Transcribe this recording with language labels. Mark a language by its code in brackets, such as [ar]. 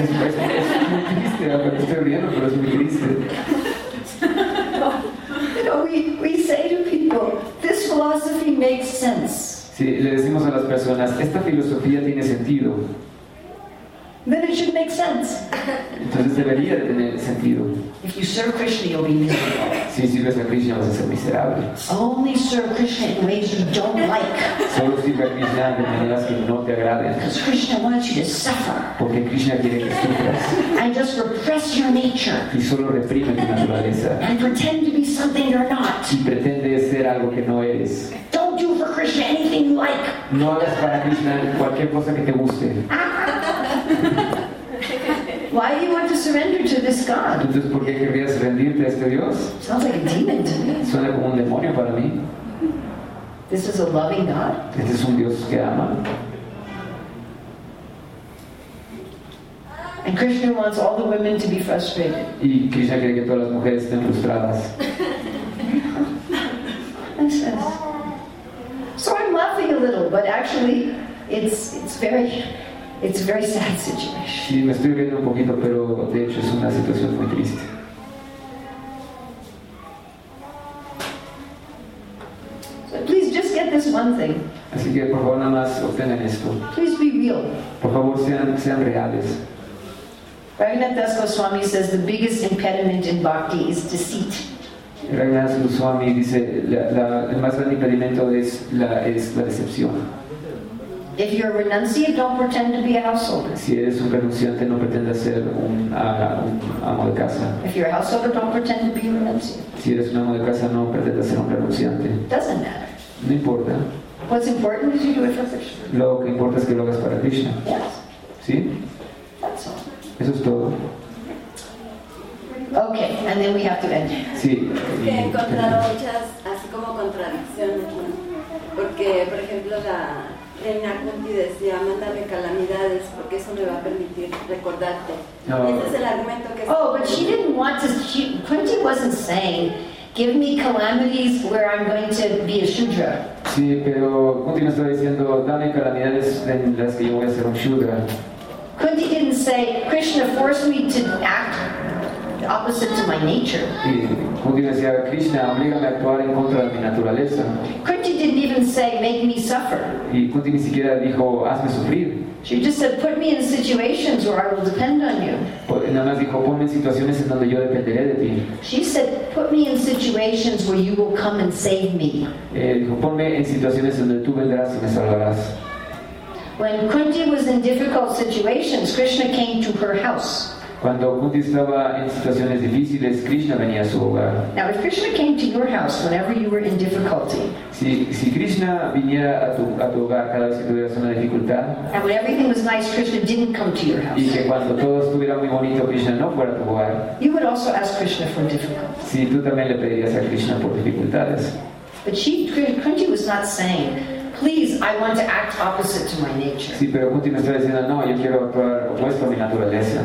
[en] It's very sad. I mean, I'm laughing, but it's very sad. You know, we say to people, this philosophy makes sense. [es] Sí, le decimos a las personas, esta filosofía tiene sentido. [en] Then it should make sense. [es] Entonces debería de tener sentido. [en] If you serve Krishna, you'll be miserable. [es] Si sirves a Krishna, vas a ser miserable. [en] Only serve Krishna in ways you don't like. [es] Solo sirve a Krishna de maneras que no te agraden. [en] Because Krishna wants you to suffer. [es] Porque Krishna quiere que sufras. [en] And just repress your nature. [es] Y solo reprime tu naturaleza. [en] And pretend to be something you're not. [es] Y pretende ser algo que no eres. [en] Don't do for Krishna anything you like. [es] No hagas para Krishna cualquier cosa que te guste. [en] Why do you want to surrender to this God? [es] Entonces, ¿por qué querrías rendirte a este Dios? [en] Sounds like a demon to me. [es] Suena como un demonio para mí. [en] This is a loving God. [es] Este es un Dios que ama. [en] And Krishna wants all the women to be frustrated. [es] Y Krishna quiere que todas las mujeres estén frustradas. [en] So I'm laughing a little, but actually, it's very sad situation. [es] Sí, me estoy riendo un poquito, pero de hecho es una situación muy triste. [en] So please just get this one thing. [es] Así que por favor nada más obtengan esto. [en] Please be real. [es] Por favor sean reales. [en] Raghunath Das Goswami says the biggest impediment in bhakti is deceit. [es] Raghunath Goswami dice el más grande impedimento es la decepción. [en] If you're a renunciate, don't pretend to be a householder. [es] Si eres un renunciante, no pretendas ser un amo de casa. [en] If you're a householder, don't pretend to be a renunciate. [es] Si eres un amo de casa, no pretendas ser un renunciante. [en] Doesn't matter. [es] No importa. [en] What's important is you do it for Krishna. [es] Lo que importa es que lo hagas para Krishna. [en] Yes. [es] Sí. [en] That's all. [es] Eso es todo. [en] Okay, and then we have to end. [es] Sí. He encontrado muchas así como contradicciones, porque por ejemplo la Reina Kunti decía, mándame calamidades porque eso me va a permitir recordarte. Ese es el argumento que. [en] Oh, but she didn't want to. Kunti wasn't saying, give me calamities where I'm going to be a shudra. [es] Sí, pero Kunti no estaba diciendo, dame calamidades en las que yo voy a ser un shudra. [en] Kunti didn't say, Krishna forced me to act opposite to my nature. [es] Sí, Kunti decía, Krishna, oblígame a actuar en contra de mi naturaleza. [en] Kunti didn't even say, make me suffer. [es] Y Kunti ni siquiera dijo, hazme sufrir. [en] She just said, put me in situations where I will depend on you. [es] Nada más dijo, ponme en situaciones en donde yo dependeré de ti. [en] She said, put me in situations where you will come and save me. [es] Dijo, ponme en situaciones donde tú vendrás y me salvarás. [en] When Kunti was in difficult situations, Krishna came to her house. [es] Cuando Kunti estaba en situaciones difíciles, Krishna venía a su hogar. [en] Now, if Krishna came to your house whenever you were in difficulty. [es] Si Krishna viniera a tu hogar cada vez que tuvieras una dificultad. [en] And when everything was nice, Krishna didn't come to your house. [es] Y que cuando todo estuviera muy bonito, Krishna no fuera a tu hogar. [en] You would also ask Krishna for difficulties. [es] Si tú también le pedirías a Krishna por dificultades. [en] But Kunti was not saying, please, I want to act opposite to my nature. [es] Sí, pero Kunti me está diciendo, no, yo quiero actuar opuesto a mi naturaleza.